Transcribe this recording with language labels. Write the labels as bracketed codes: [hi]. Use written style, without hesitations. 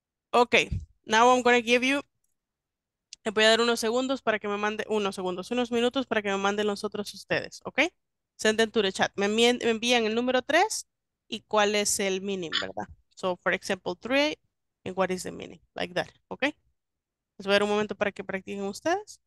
[en] Okay, now I'm gonna give you. [es] Le voy a dar unos segundos para que me mande unos minutos para que me manden los otros ustedes, okay? [en] Send them to the chat. [es] Me envían el número 3 y cuál es el meaning, ¿verdad? [en] So, for example, 3 and what is the meaning? Like that, okay? [es] Les voy a dar un momento para que practiquen ustedes.